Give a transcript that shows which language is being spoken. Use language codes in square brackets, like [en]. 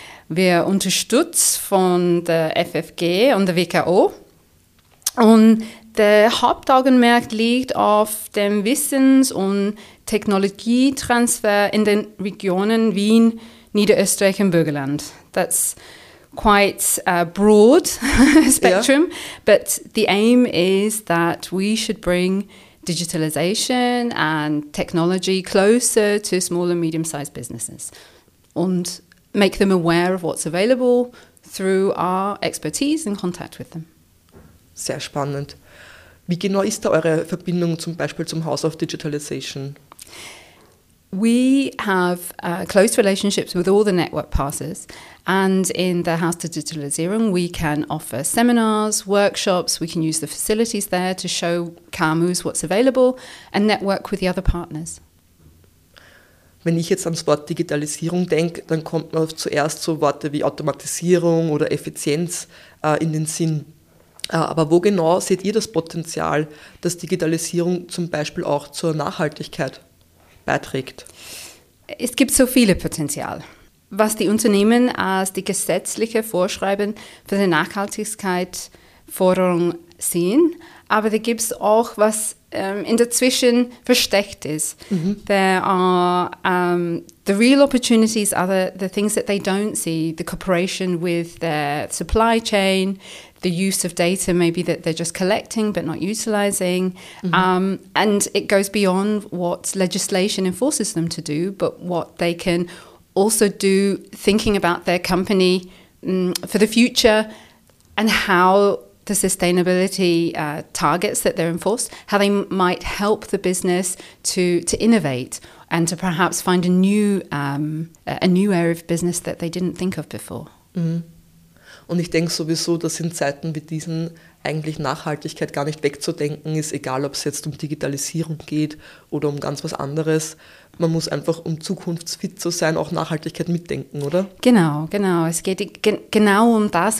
[de] Wir unterstützen von der FFG und der WKO und der Hauptaugenmerk liegt auf dem Wissens- und Technologietransfer in den Regionen Wien, Niederösterreich und Burgenland. [en] That's quite a broad spectrum, yeah. But the aim is that we should bring digitalization and technology closer to small and medium-sized businesses and make them aware of what's available through our expertise and contact with them. [de] Sehr spannend. Wie genau ist da eure Verbindung zum Beispiel zum House of Digitalization? [en] We have close relationships with all the network passes, and in the House of Digitalization, we can offer seminars, workshops, we can use the facilities there to show KMUs what's available and network with the other partners. [de] Wenn ich jetzt ans Wort Digitalisierung denke, dann kommt man zuerst so Worte wie Automatisierung oder Effizienz in den Sinn. Aber wo genau seht ihr das Potenzial, dass Digitalisierung zum Beispiel auch zur Nachhaltigkeit beiträgt? Es gibt so viele Potenzial. Was die Unternehmen als die gesetzliche Vorschreiben für die Nachhaltigkeitsforderung sehen, aber da gibt es auch was in dazwischen versteckt ist. Mhm. [en] There are the real opportunities are the things that they don't see, the cooperation with their supply chain, the use of data maybe that they're just collecting but not utilizing. Mm-hmm. And it goes beyond what legislation enforces them to do, but what they can also do thinking about their company for the future and how the sustainability targets that they're enforced, how they might help the business to innovate and to perhaps find a new area of business that they didn't think of before. Mm-hmm. [de] Und ich denke sowieso, dass in Zeiten wie diesen eigentlich Nachhaltigkeit gar nicht wegzudenken ist, egal ob es jetzt um Digitalisierung geht oder um ganz was anderes. Man muss einfach, um zukunftsfit zu sein, auch Nachhaltigkeit mitdenken, oder? Genau. Es geht genau um das.